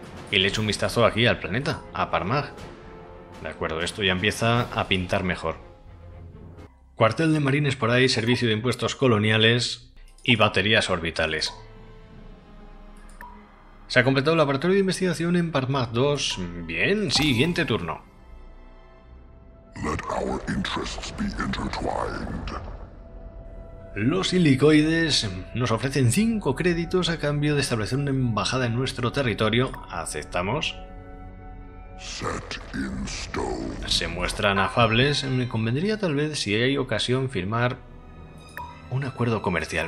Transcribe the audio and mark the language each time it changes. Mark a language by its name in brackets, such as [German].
[Spanish] Y le echo un vistazo aquí al planeta. A Parmag. De acuerdo. Esto ya empieza a pintar mejor. Cuartel de marines por ahí. Servicio de impuestos coloniales. Y baterías orbitales. Se ha completado el laboratorio de investigación en Parmag 2. Bien, siguiente turno. [English] Let our interests be intertwined. [Spanish] Los silicoides nos ofrecen 5 créditos a cambio de establecer una embajada en nuestro territorio. Aceptamos. [English] Set in stone. [Spanish] Se muestran afables. Me convendría tal vez, si hay ocasión, firmar un acuerdo comercial.